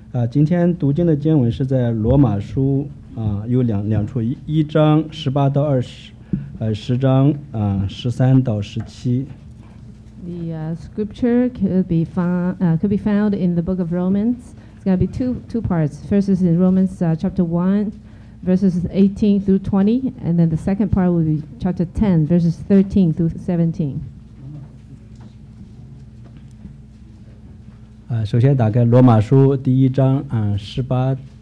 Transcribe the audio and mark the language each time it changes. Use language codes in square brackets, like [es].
[zh] 今天读经的经文是在罗马书有两处，1章18-20，10章13-17。 [en] The scripture could be found in the book of Romans. It's going to be two parts. First is in Romans chapter 1, verses 18 through 20, and then the second part will be chapter 10, verses 13 through 17. [zh] 首先打开罗马书第一章18-20。